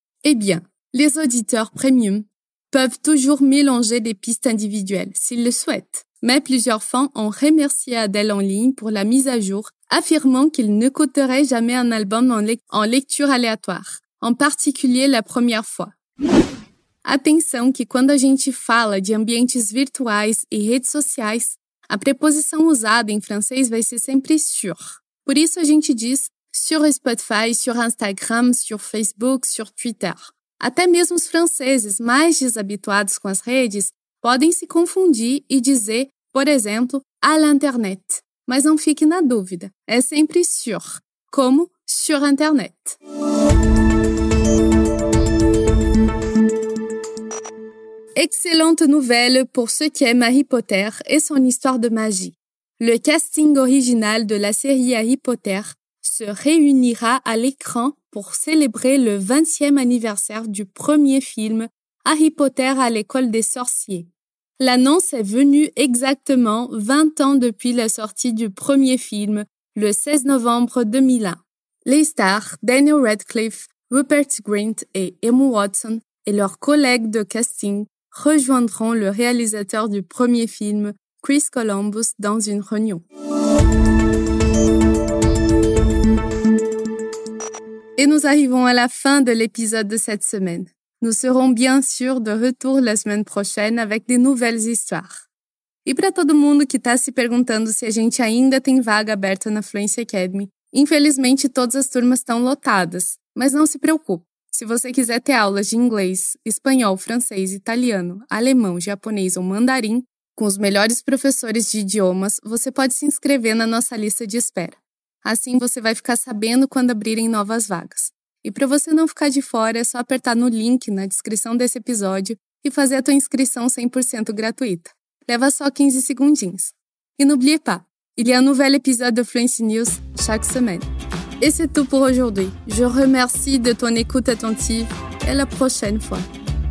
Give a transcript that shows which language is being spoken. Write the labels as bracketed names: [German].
[French] Eh bien, les auditeurs premium peuvent toujours mélanger des pistes individuelles s'ils le souhaitent. Mais plusieurs fans ont remercié Adèle en ligne pour la mise à jour, affirmant qu'ils ne coteraient jamais un album en lecture aléatoire. En particulier la première fois. [Portuguese] Atenção que quando a gente fala de ambientes virtuais e redes sociais, a preposição usada em francês vai ser sempre sur. Por isso a gente diz sur Spotify, sur Instagram, sur Facebook, sur Twitter. Até mesmo os franceses mais desabituados com as redes podem se confundir e dizer, por exemplo, [French] à l'internet. [Portuguese] Mas não fique na dúvida, é sempre sur, como [French] sur internet. Excellente nouvelle pour ceux qui aiment Harry Potter et son histoire de magie. Le casting original de la série Harry Potter se réunira à l'écran pour célébrer le 20e anniversaire du premier film Harry Potter à l'école des sorciers. L'annonce est venue exactement 20 ans depuis la sortie du premier film, le 16 novembre 2001. Les stars Daniel Radcliffe, Rupert Grint et Emma Watson et leurs collègues de casting rejoindront le réalisateur du premier film, Chris Columbus, dans une réunion. Et nous arrivons à la fin de l'épisode de cette semaine. Nous serons bien sûr de retour la semaine prochaine avec de nouvelles histoires. [Portuguese] E para todo mundo que está se perguntando se a gente ainda tem vaga aberta na Fluency Academy, infelizmente todas as turmas estão lotadas, mas não se preocupe. Se você quiser ter aulas de inglês, espanhol, francês, italiano, alemão, japonês ou mandarim, com os melhores professores de idiomas, você pode se inscrever na nossa lista de espera. Assim você vai ficar sabendo quando abrirem novas vagas. E para você não ficar de fora, é só apertar no link na descrição desse episódio e fazer a tua inscrição 100% gratuita. Leva só 15 segundinhos. [French] E n'oublie pas, il y a un nouvel épisode de Fluency News chaque semaine. Et c'est tout pour aujourd'hui. Je remercie de ton écoute attentive et à la prochaine fois.